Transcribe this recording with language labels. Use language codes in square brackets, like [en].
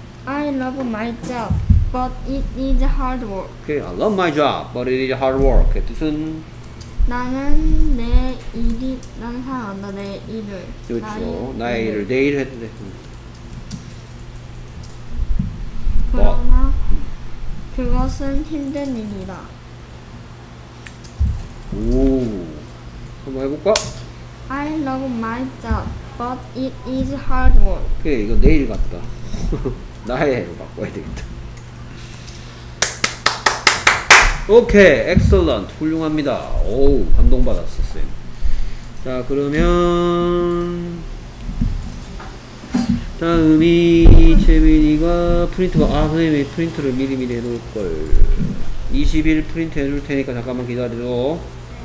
[en] I love my job, but it is hard work. Okay. I love my job, but it is hard work. [ko] 뜻은 나는 내 일이 나는 사랑한다 내 일을. 그렇죠. 나의 일을 내 일을 했는데. 그러나 그것은 힘든 일이다. 오, 한번 해볼까? [en] I love my job, but it is hard work. [ko] 오케이, 이거 내 일 같다. 나의 일로 바꿔야 되겠다. 오케이, excellent, 훌륭합니다. 오, 감동받았어, 쌤. 자, 그러면 다음이 채민이가 프린트가 아 선생님이 프린트를 미리 해놓을걸. 20일 프린트 해줄 테니까 잠깐만 기다려줘.